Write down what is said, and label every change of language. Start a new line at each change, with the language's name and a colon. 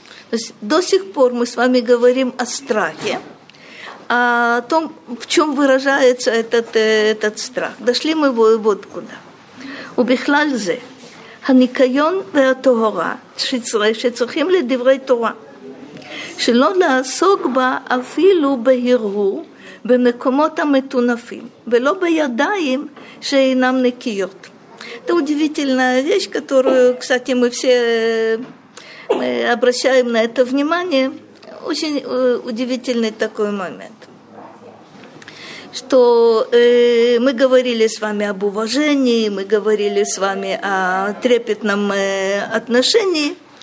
Russian: То есть до сих пор мы с вами говорим о страхе, о том, в чем выражается этот страх. Дошли мы вот куда.
Hebrew: У Бихлальзе ханикайон веатогора шицрахим ледиврей Тора. שלא לעסוק בה אפילו בהרהור במקומות המתונפים, ולא בידיים שאינם נקיות.
Russian: Это удивительная вещь, которую, кстати, мы все обращаем на это внимание. Очень удивительный такой момент. Что мы говорили с вами об уважении, мы говорили с вами о трепетном отношении.